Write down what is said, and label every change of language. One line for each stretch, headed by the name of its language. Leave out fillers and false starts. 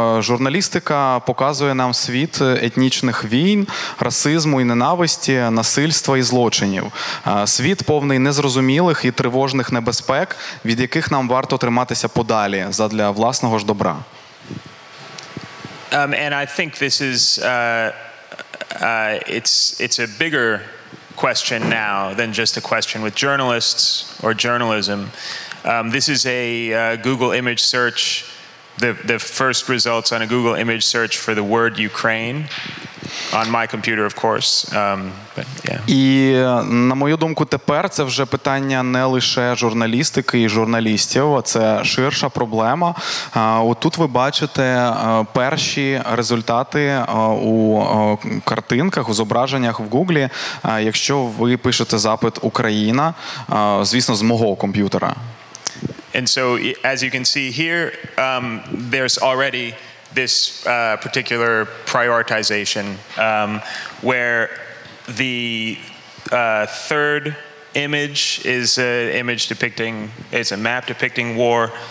Ukrainian: Журналістика показує нам світ етнічних війн, расизму і ненависті, насильства і злочинів. Світ повний незрозумілих і тривожних небезпек, від яких нам варто триматися подалі задля власного ж добра.
English: And I think this is it's a bigger question now than just a question with journalists or journalism. This is a Google image search, the first results on a Google image search for the word Ukraine. on my computer, of course. But yeah.
Ukrainian: І на мою думку, тепер це вже питання не лише журналістики і журналістів, а це ширша проблема. Отут ви бачите перші результати у картинках, у зображеннях в Гуглі, якщо ви пишете запит Україна, звісно, з мого комп'ютера.
English: And so as you can see here, there's already this particular prioritization where the third image is an image depicting, it's a map depicting war.